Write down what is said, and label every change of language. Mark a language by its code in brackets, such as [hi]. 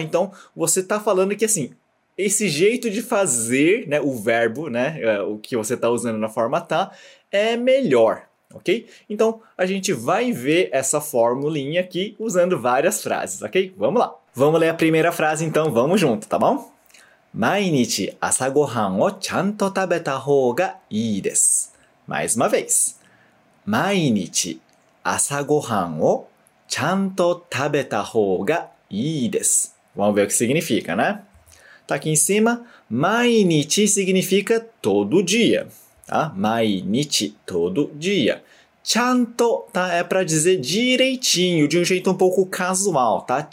[pt] Então, você está falando que, assim, esse jeito de fazer, né, o verbo, né, o que você está usando na forma tá, é melhor, ok? Então, a gente vai ver essa formulinha aqui usando várias frases, ok? Vamos lá! Vamos ler a primeira frase, então, vamos junto, tá bom? [ja] 毎日朝ごはんをちゃんと食べた方がいいです。 [pt] Mais uma vez. [ja] 毎日朝ごはんをちゃんと食べた方がいいです。 [pt] Vamos ver o que significa, né? Tá aqui em cima. 毎日 significa todo dia. Tá? 毎日 todo dia. ちゃんと tá? É para dizer direitinho, de um jeito um pouco casual, tá?